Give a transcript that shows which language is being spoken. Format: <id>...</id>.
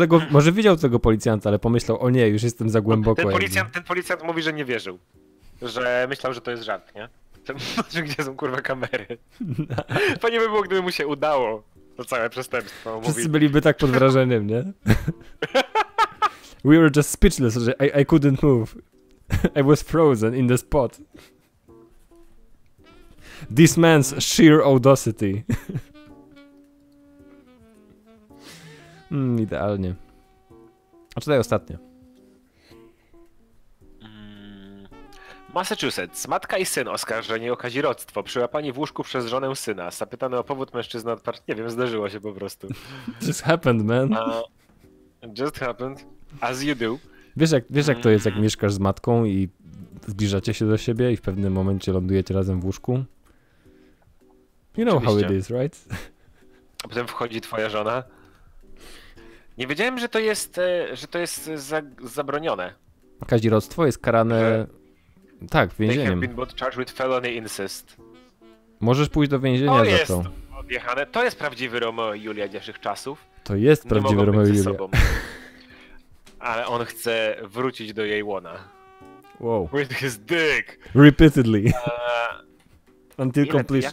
<pl>Może widział tego policjanta, ale pomyślał, o nie, już jestem za głęboko. Ten policjant mówi, że nie wierzył. Że myślał, że to jest żart, nie? Gdzie są kurwa kamery? Fajnie by było, gdyby mu się udało to całe przestępstwo. Wszyscy byliby tak pod wrażeniem, nie?</pl> <en>We were just speechless, że I couldn't move. I was frozen in the spot. This man's sheer audacity.</en> <pl>Idealnie. A tutaj ostatnie. Massachusetts. Matka i syn oskarżeni o kazirodztwo. Przyłapani w łóżku przez żonę syna. Zapytany o powód mężczyzna odparł. Nie wiem, zdarzyło się po prostu.</pl> <en>Just happened, man. Just happened. As you do.</en> <pl>Wiesz jak to jest, jak mieszkasz z matką i zbliżacie się do siebie i w pewnym momencie lądujecie razem w łóżku?</pl> <en>You know how it is, right?</en> <pl>A potem wchodzi twoja żona. Nie wiedziałem, że to jest zabronione. Kazirodztwo jest karane... Tak, więzieniem.</pl> <en>They have been both charged with felony incest.</en> <pl>Możesz pójść do więzienia za to. Odjechane. To jest prawdziwy Romeo i Julia dzisiejszych czasów. To jest prawdziwy Romeo i Julia. Ale on chce wrócić do jej łona. Wow.</pl> <en>With his dick. Repeatedly. Until completion.</en>